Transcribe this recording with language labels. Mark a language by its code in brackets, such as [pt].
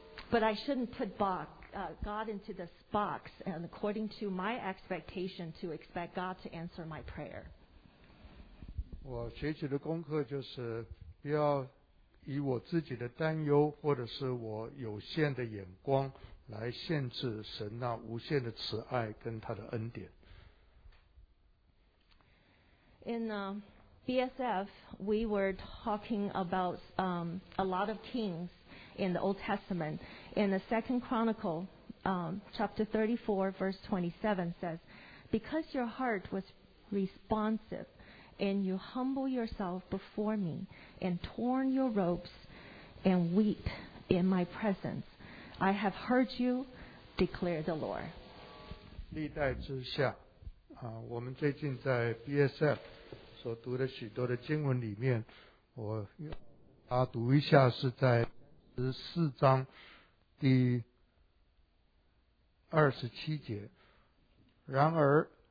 [en] But I shouldn't put God into this box and according to my expectation to expect God to answer my prayer. [zh] 我学习的功课就是不要以我自己的担忧或者是我有限的眼光来限制神那无限的慈爱跟他的恩典。 [en] In BSF, we were talking about a lot of kings in the Old Testament. In the Second Chronicle, chapter 34, verse 27 says, Because your heart was responsive,And you humble yourself before me and torn your robes and weep in my presence. I have heard you, declare the Lord. [zh] 历代之下，我们最近在 BSF 所读的许多的经文里面，我读一下是在14章第27节。然而